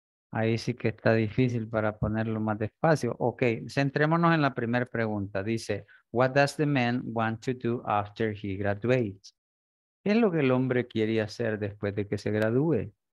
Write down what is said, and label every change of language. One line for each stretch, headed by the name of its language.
Spanish: Ahí sí que está difícil para ponerlo más despacio. Okay, centrémonos en la primera pregunta.
English: Dice, what does the man want to do after he graduates?
Spanish: ¿Qué es lo que el hombre quiere hacer después de que se gradúe?